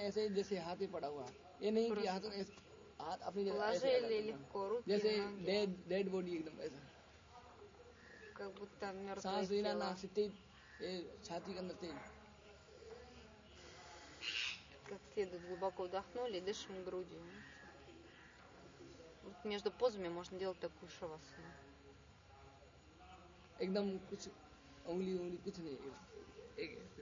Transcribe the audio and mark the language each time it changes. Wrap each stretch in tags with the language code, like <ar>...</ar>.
<hi>ऐसे ही जैसे हाथ ही पड़ा हुआ ये नहीं कि हाथ ऐसे हाथ अपनी जैसे ले ले करो जैसे डेड बॉडी एकदम ऐसा</hi> <ru>как будто мёртвое тело</ru> <hi>सांस लेना ना सीधी ये छाती के अंदर से</hi> <ru>как следует глубоко вдохнули и дышим грудью. Вот между позами можно делать такую шавасану.</ru> <hi>एकदम कुछ उंगली उंगली कुछ नहीं एक</hi>